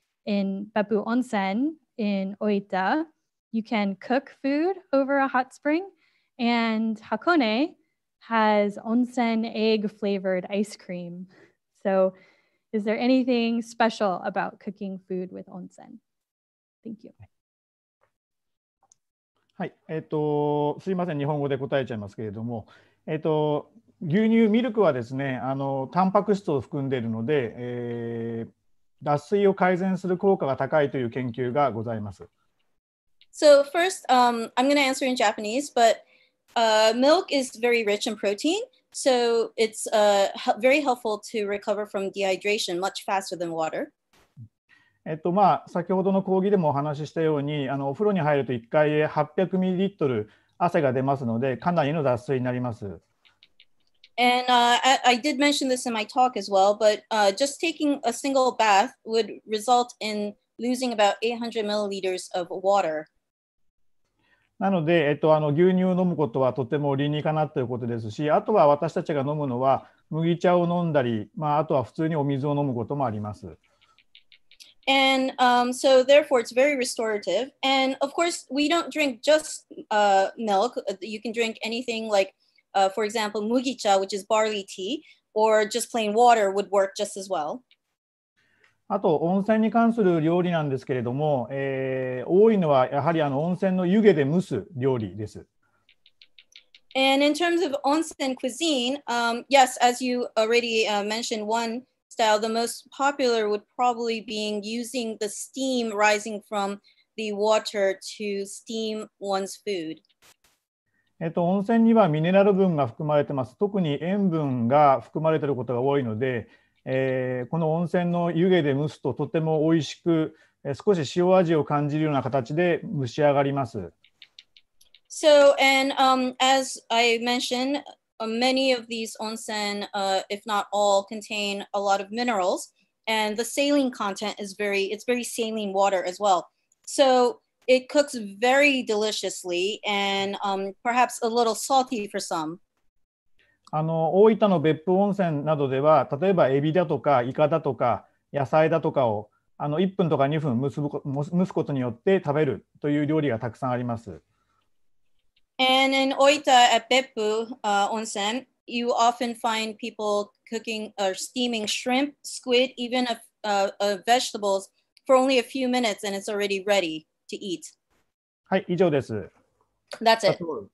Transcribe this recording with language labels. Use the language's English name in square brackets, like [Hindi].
[English] In Beppu Onsen in Oita, you can cook food over a hot spring. And Hakone has onsen egg flavored ice cream. So is there anything special about cooking food with onsen? Thank you. [Japanese] はい、すいません、日本語で答えちゃいますけれども、牛乳、ミルクはですね、タンパク質を含んでいるので、脱水を改善する効果が高いという研究がございます。 [English] So first, I'm going to answer in Japanese, but milk is very rich in protein, so it's very helpful to recover from dehydration much faster than water. [Japanese] 先ほどの講義でもお話ししたように、お風呂に入ると1回で 800ml 汗が出ますので、かなりの脱水になります。 [English] And I did mention this in my talk as well, but just taking a single bath would result in losing about 800ml of water. [Japanese] なので、牛乳を飲むことはとても理にかなっていることですし、あとは私たちが飲むのは麦茶を飲んだり、あとは普通にお水を飲むこともあります。 [English] And so therefore it's very restorative. And of course we don't drink just milk. You can drink anything like, for example, mugicha, which is barley tea, or just plain water would work just as well. [Japanese] あと温泉に関する料理なんですけれども、多いのはやはり温泉の湯気で蒸す料理です。 [English] And in terms of onsen cuisine, yes, as you already mentioned, one style, the most popular would probably be using the steam rising from the water to steam one's food. [Japanese] 温泉にはミネラル分が含まれてます。特に塩分が含まれていることが多いので、この温泉の湯気で蒸すととても美味しく、少し塩味を感じるような形で蒸し上がります。 [English] So, and as I mentioned, many of these onsen, if not all, contain a lot of minerals, and the saline content is very saline water as well. So it cooks very deliciously and perhaps a little salty for some. [Japanese] 大分の別府温泉などでは、例えばエビだとかイカだとか野菜だとかを1分とか2分蒸すことによって食べるという料理がたくさんあります。 [English] And in Oita at Beppu Onsen, you often find people cooking or steaming shrimp, squid, even a vegetables for only a few minutes, and it's already ready to eat. [Japanese] はい、以上です。 [English] That's it.